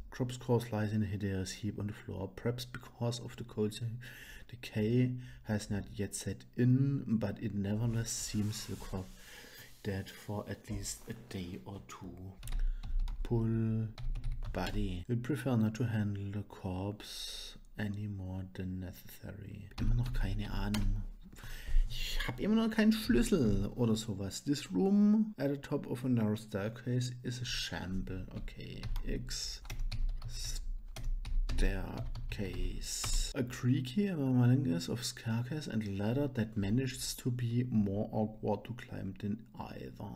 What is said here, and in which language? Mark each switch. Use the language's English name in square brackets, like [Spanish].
[English] Crop's corpse lies in a hideous heap on the floor. Perhaps because of the cold decay has not yet set in, but it nevertheless seems the crop dead for at least a day or two. Pull body. We'd prefer not to handle the corpse any more than necessary. [German] Immer noch keine Ahnung. Ich habe immer noch keinen Schlüssel oder sowas. [English] This room at the top of a narrow staircase is a shamble. Okay. X. Staircase. A creaky amalgam of staircase and ladder that manages to be more awkward to climb than either.